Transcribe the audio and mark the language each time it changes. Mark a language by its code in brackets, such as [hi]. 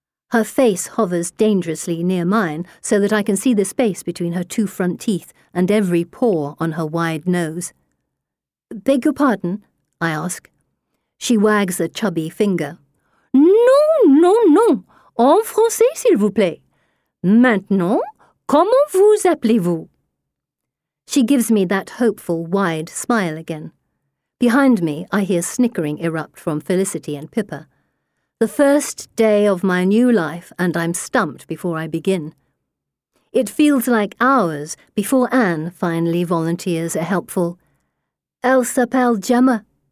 [en] Her face hovers dangerously near mine so that I can see the space between her two front teeth and every pore on her wide nose. Beg your pardon, I ask. She wags a chubby finger. [fr] Non, non, non. En français, s'il vous plaît. Maintenant, comment vous appelez-vous? [en] She gives me that hopeful, wide smile again. Behind me, I hear snickering erupt from Felicity and Pippa. The first day of my new life, and I'm stumped before I begin. It feels like hours before Anne finally volunteers a helpful, Elle s'appelle Gemma.